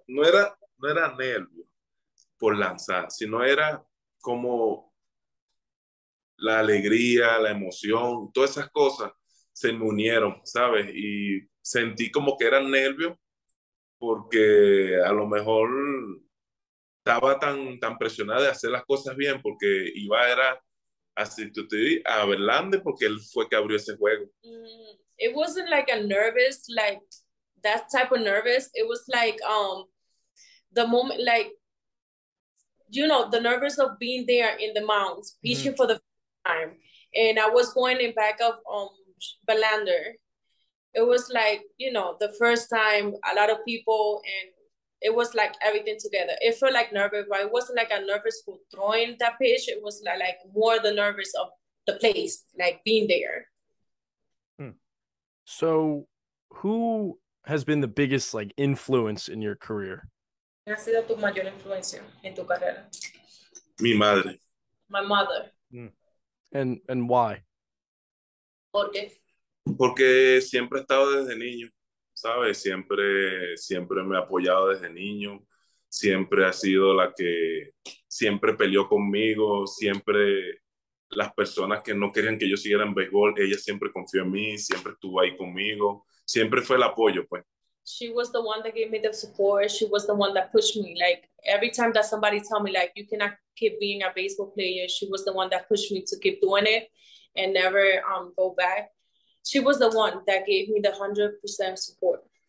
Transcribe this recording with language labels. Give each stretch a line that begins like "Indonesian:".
Spanish: No era nervio por lanzar, sino era como la alegría, la emoción, todas esas cosas se me unieron, ¿sabes? Y sentí como que era nervio porque a lo mejor estaba tan presionada de hacer las cosas bien porque iba era sustituir a Verlander porque él fue que abrió ese juego.
English: It wasn't like a nervous, like that type of nervous. It was like the moment, like, you know, the nervous of being there in the mounds, pitching for the first time. And I was going in back of Verlander. It was like, you know, the first time, a lot of people, and it was like everything together. It felt like nervous, but it wasn't like a nervous for throwing that pitch. It was like more the nervous of the place, like being there. So who has been the biggest like influence in your career?
Spanish: ¿Quién ha sido tu mayor influencia en tu carrera? Mi madre.
English: My mother. And why?
Spanish: ¿Por qué? Porque siempre he estado desde niño, ¿sabes? Siempre me ha apoyado desde niño. Siempre ha sido la que siempre peleó conmigo. Siempre las personas que no querían que yo siguiera en béisbol, ella siempre confió en mí, siempre estuvo ahí conmigo. Siempre fue el apoyo, pues.
English: She was the one that gave me the support. She was the one that pushed me. Like, every time that somebody told me, like, you cannot keep being a baseball player, she was the one that pushed me to keep doing it and never go back. She was the one that gave me the 100% support.